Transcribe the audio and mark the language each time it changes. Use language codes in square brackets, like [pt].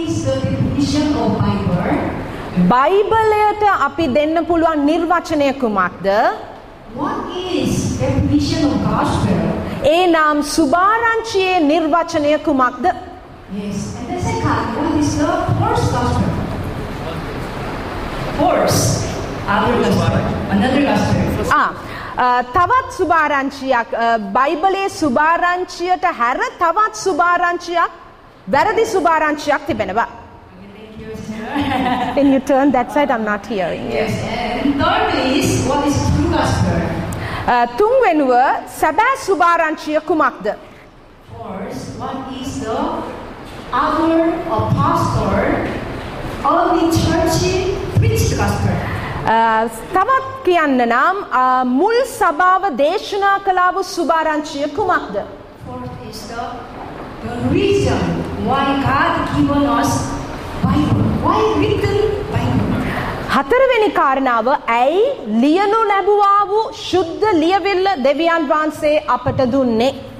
[en] What is the definition of Bible? [si] Bible අපි දෙන්න පුළුවන් නිර්වචනය කුමක්ද? [en] What is the definition of gospel? [si] ඒ නම් සුභාරංචියේ නිර්වචනය කුමක්ද? [en] Yes. And the second, what is the first gospel? First, another gospel. [si] තවත් සුභාරංචියක් බයිබලයේ සුභාරංචියට හැර තවත් සුභාරංචියක් වැරදි සුභාරංචියක් තිබෙනවා. [en] Can you turn that side? I'm not hearing you. Yes. Third is what is true gospel? [si] තුන්වෙනුව සැබෑ සුභාරංචිය කුමක්ද? [en] Fourth, what is the other apostle only church preached gospel? [si] තවත් කියන්න නම් මුල් සභාව දේශනා කළව සුභාරංචිය කුමක්ද? [en] Fourth is the reason why God given us Bible? Why written Bible? [si] හතරවෙනි කාරණාව ඇයි ලියනු ලැබුවා වූ ශුද්ධ ලියවිල්ල දෙවියන් වහන්සේ අපට දුන්නේ?